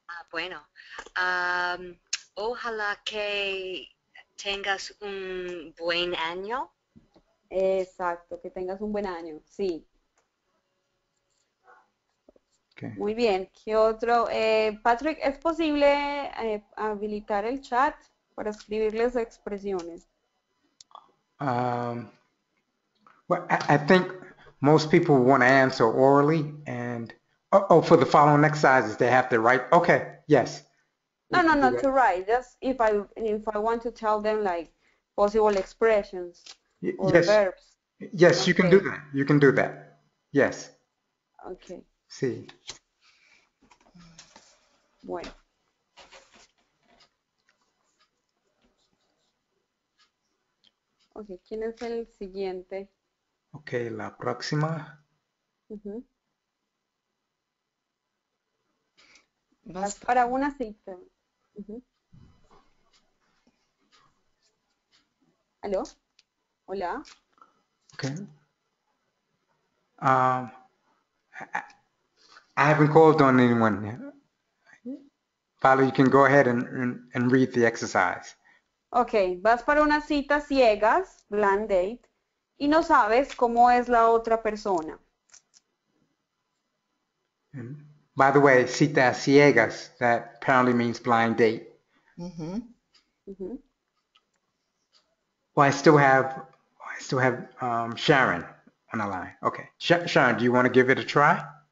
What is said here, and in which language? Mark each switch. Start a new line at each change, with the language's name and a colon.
Spanish: Bueno. Ojalá que tengas un buen año. Exacto, que tengas un buen año, sí.
English: Okay.
Spanish: Muy bien, ¿qué otro? Patrick, ¿es posible habilitar el chat para escribirles expresiones?
English: Well, I think most people want to answer orally, and Oh, for the following exercises, they have to write. Okay, yes. No, no, no, to write. Just if I want to tell them like possible expressions or Yes. verbs. Yes, you can do Okay. that. You can do that. Yes. Okay. See.
Spanish: Bueno. Okay, ¿quién es el siguiente? Okay, la próxima. Vas Para una cita. ¿Aló? Hola.
English: Okay. I haven't called on anyone yet. Paula, you can go ahead and read the exercise.
Spanish: Okay, vas para una cita ciegas,
English: blind date,
Spanish: y no sabes cómo es la otra persona.
English: By the way,
Spanish: cita ciegas,
English: that apparently means blind date. Well, I still have Sharon on the line. Okay, Sharon, do you want to give it a try?